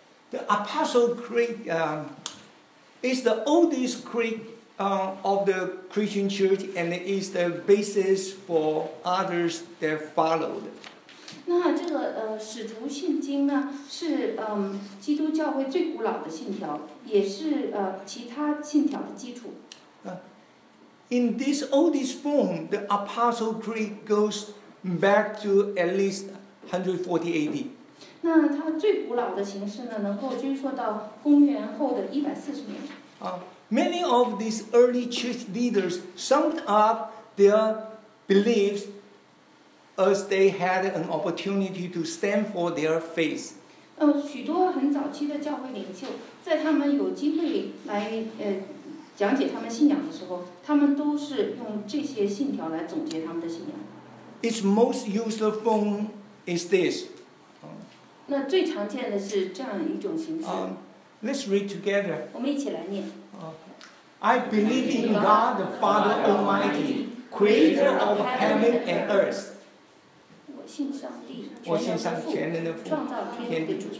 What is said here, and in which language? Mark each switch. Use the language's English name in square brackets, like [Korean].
[English] The Apostle Creed is the oldest creed of the Christian Church, and it is the basis for others that followed. [Chinese] 那这个使徒信经呢，是基督教会最古老的信条，也是其他信条的基础。 [English] In this oldest form, the Apostle Creed goes back to at least 140 AD. [Chinese] 那它最古老的形式呢，能够追溯到公元后的140年。 [English] Many of these early church leaders summed up their beliefs as they had an opportunity to stand for their faith. [Chinese] 许多很早期的教会领袖，在他们有机会来讲解他们信仰的时候，他们都是用这些信条来总结他们的信仰。 [English] Its most used form. Is this? [Chinese] 那最常见的是这样一种形式。 [English] Let's read together. [Chinese] 我们一起来念。 [English] I believe in God the Father Almighty, Creator of heaven and earth. [Chinese] 我信上帝，全能的父，创造天地。